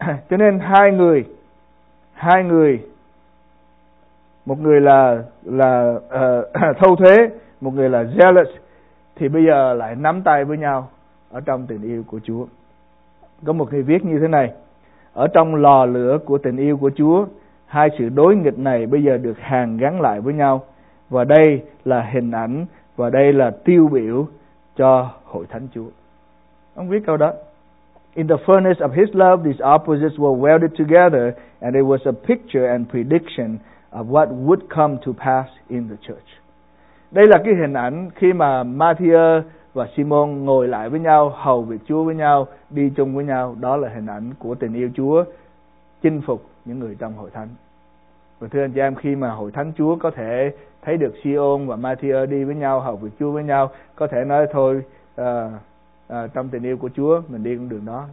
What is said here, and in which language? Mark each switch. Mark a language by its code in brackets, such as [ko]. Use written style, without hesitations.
[vi] Cho nên hai người, một người là thâu thuế, một người là zealous, thì bây giờ lại nắm tay với nhau ở trong tình yêu của Chúa. Có một người viết như thế này: ở trong lò lửa của tình yêu của Chúa, hai sự đối nghịch này bây giờ được hàn gắn lại với nhau, và đây là hình ảnh và đây là tiêu biểu cho hội thánh Chúa. [en] Ông viết câu đó: In the furnace of his love, these opposites were welded together, and it was a picture and prediction of what would come to pass in the church. [vi] Đây là cái hình ảnh khi mà Matthew và Simon ngồi lại với nhau, hầu việc Chúa với nhau, đi chung với nhau. Đó là hình ảnh của tình yêu Chúa chinh phục những người trong hội thánh. Và thưa anh chị em, khi mà hội thánh Chúa có thể thấy được Simon và Matthew đi với nhau, hầu việc Chúa với nhau, có thể nói thôi, trong tình yêu của Chúa, mình đi con đường đó.